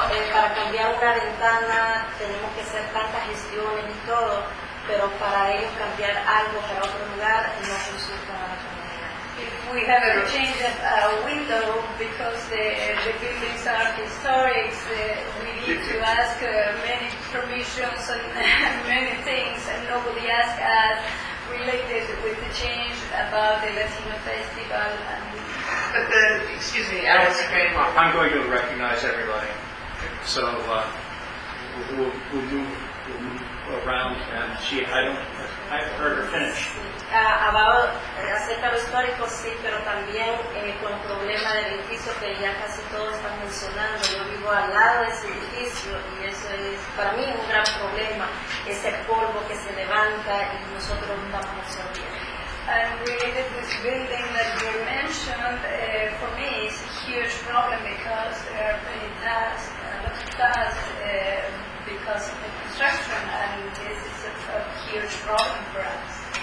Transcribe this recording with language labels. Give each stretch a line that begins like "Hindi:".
Spanish: Para cambiar una ventana tenemos que hacer tantas gestiones y todo, pero para ellos cambiar algo para otro lugar no consulta a la comunidad.
English: If we have to change a window because the buildings are historic, we need to ask many permissions and many things, and nobody asks us related with the change about the Latino Festival. And but then, excuse me, Alice Kramer. I'm going to recognize everybody. So we'll move around, and she, I've heard her finish.
Spanish: About acerca los históricos, sí, pero también con problema del edificio que ya casi todos están mencionando. Yo vivo al lado de ese edificio, y eso es para mí un gran problema. Ese polvo que se levanta, y nosotros no vamos a salir.
English: And related to this building that you mentioned, for me it's a huge problem because there are many dust, a lot of dust because of the construction, and this is a huge problem for us.